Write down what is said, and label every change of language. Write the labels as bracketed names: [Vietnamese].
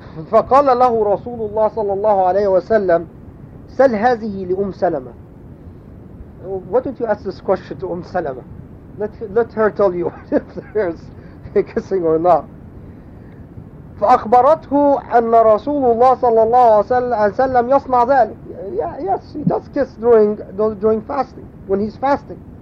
[Arabic] فقال له رسول الله صلى الله عليه وسلم سل هذه لأم سلمة. [English] Why don't you ask this question to Umm Salama? Let her tell you if there's kissing or not. [Arabic] فأخبرته أن رسول الله صلى الله عليه وسلم يصنع ذلك. [English] Yeah, yes, he does kiss during fasting, when he's fasting.